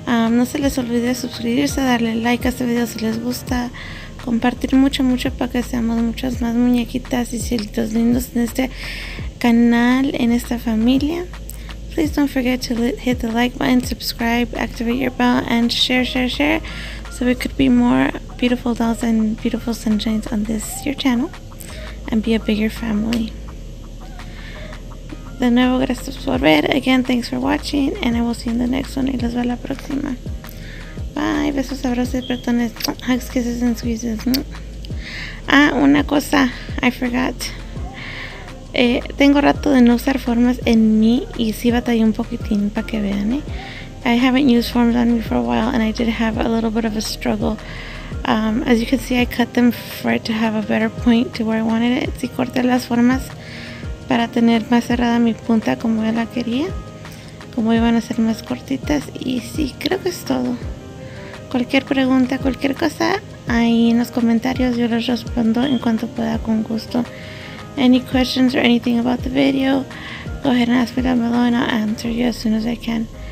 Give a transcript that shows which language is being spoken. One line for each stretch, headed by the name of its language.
Spanish: No se les olvide suscribirse, darle like a este video si les gusta. Compartir mucho, mucho para que seamos muchas más muñequitas y cielitos lindos en este canal, en esta familia.
English: Please don't forget to hit the like button, subscribe, activate your bell, and share, so we could be more beautiful dolls and beautiful sunshines on this, your channel, and be a bigger family.
Spanish: De nuevo, gracias por ver.
English: Again, thanks for watching, and I will see you in the next one.
Spanish: Y los veo la próxima.
English: Bye,
Spanish: besos, abrazos, perdones,
English: hugs, kisses, and squeezes.
Spanish: Ah, una cosa,
English: I forgot.
Spanish: Tengo rato de no usar formas en mí y sí batallé un poquitín para que vean.
English: I haven't used forms on me for a while and I did have a little bit of a struggle. As you can see, I cut them for it to have a better point to where I wanted it.
Spanish: Sí corté las formas para tener más cerrada mi punta como yo la quería, como iban a ser más cortitas. Y sí, creo que es todo. Cualquier pregunta, cualquier cosa, ahí en los comentarios yo les respondo en cuanto pueda con gusto.
English: Any questions or anything about the video, go ahead and ask me down below and I'll answer you as soon as I can.